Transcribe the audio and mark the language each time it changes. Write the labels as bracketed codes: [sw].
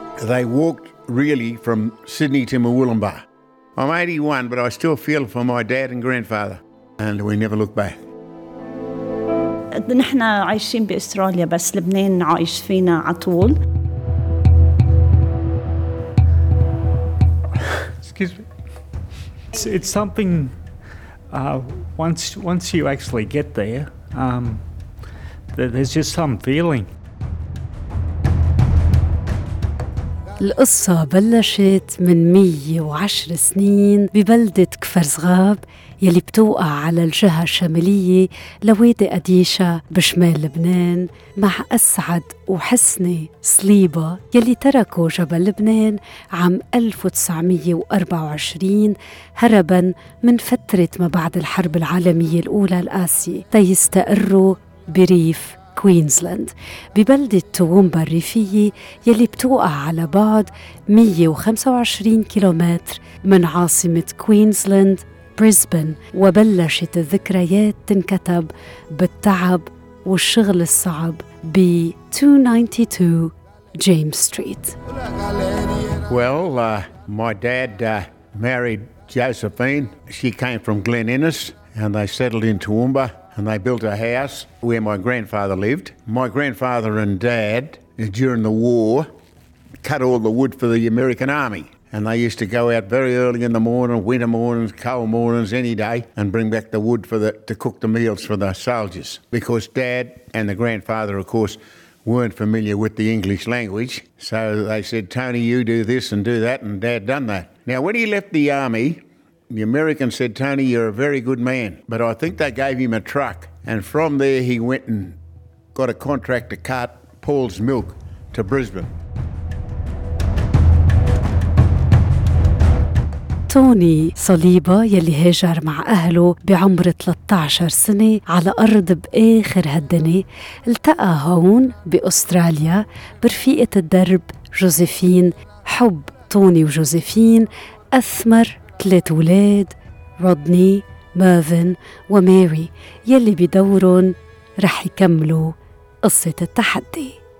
[en] They walked really from Sydney to Moolumbah. I'm 81, but I still feel for my dad and grandfather, and we never look back. [ar] نحن عايشين بأستراليا بس لبنان عايش فينا على طول. [en] Excuse me. It's something once you actually get there, there's just some feeling. [ar] القصة بلشت من 110 سنين ببلدة كفر زغاب يلي بتوقع على الجهة الشمالية لوادي قديشة بشمال لبنان، مع أسعد وحسني صليبة يلي تركوا جبل لبنان عام 1924 هربا من فترة ما بعد الحرب العالمية الأولى القاسية تيستقروا بريف كوينزلاند ببلدة توومبا الريفية يلي بتوقع على بعد 125 كيلومتر من عاصمة كوينزلاند بريسبن، وبلشت الذكريات تنكتب بالتعب والشغل الصعب ب 292 جيمس ستريت. [en] Well, my dad married Josephine. She came from Glen Innes and they settled in Toowoomba. And they built a house where my grandfather lived. My grandfather and dad, during the war, cut all the wood for the American Army. And they used to go out very early in the morning, winter mornings, cold mornings, any day, and bring back the wood to cook the meals for the soldiers. Because dad and the grandfather, of course, weren't familiar with the English language. So they said, Tony, you do this and do that, and dad done that. Now, when he left the army, the American said, Tony, you're a very good man, but I think they gave him a truck. And from there, he went and got a contract to cart Paul's milk to Brisbane. [ar] توني صليبة يلي هاجر مع أهله بعمر 13 سنة على أرض بآخر هالدنيا، التقى هون بأستراليا برفيقة الدرب جوزيفين. حب توني وجوزيفين أثمر ثلاث أولاد، رودني، مارفن وماري، يلي بدورهم رح يكملوا قصة التحدي.